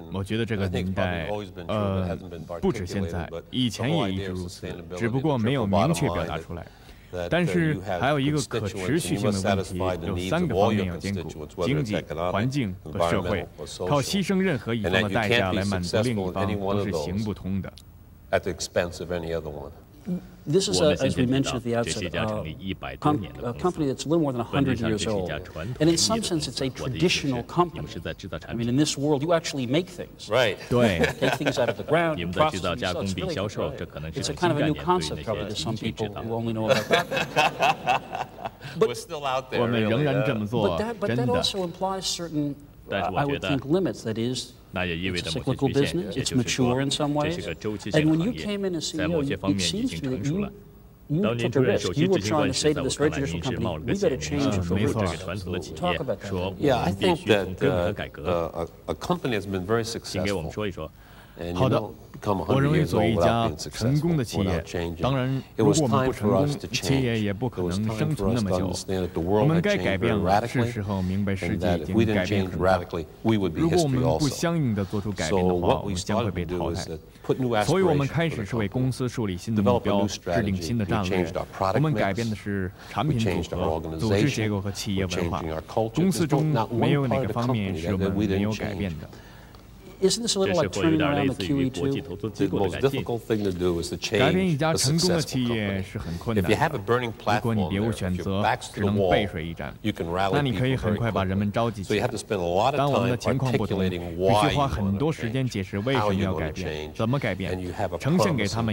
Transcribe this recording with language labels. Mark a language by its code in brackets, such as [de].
[zh] 我觉得这个年代，不止现在，以前也一直如此，只不过没有明确表达出来。但是还有一个可持续性的问题，有三个方面要兼顾：经济、环境和社会。靠牺牲任何一方的代价来满足另一方，都是行不通的。 [en] At the expense of any other one. This is, as we mentioned at the outset, a company that's a little more than 100 years old. And in some sense, it's a traditional company. I mean, in this world, you actually make things. Right. Take things out of the ground, you process them, you sell. It's really good, right? It's a kind of a new concept probably to some people who only know about that. But we're still out there. But that also implies certain, I would think, limits. That is, it's a cyclical business, it's mature in some ways. And when you came in as CEO, it seems to me that you took a risk. You were trying to say to this very traditional company, we've got to change it for roots. Talk about that. Yeah, I think that a company has been very successful. [zh] 好的，我认为作为一家成功的企业，当然，如果我们不成功，企业也不可能生存那么久。我们该改变了，是时候明白世界已经改变了。如果我们不相应地做出改变的话，我们将会被淘汰。所以我们开始是为公司树立新的目标，制定新的战略。我们改变的是产品组合、组织结构和企业文化。公司中没有哪个方面是我们没有改变的。 [en] Isn't this a little like turning around the QE2? The most difficult thing to do is to change a successful company. If you have a burning platform, if your back's to the wall, you can rally people very quickly. So you have to spend a lot of time articulating why you want to change, how you want to change, and you have a promising future.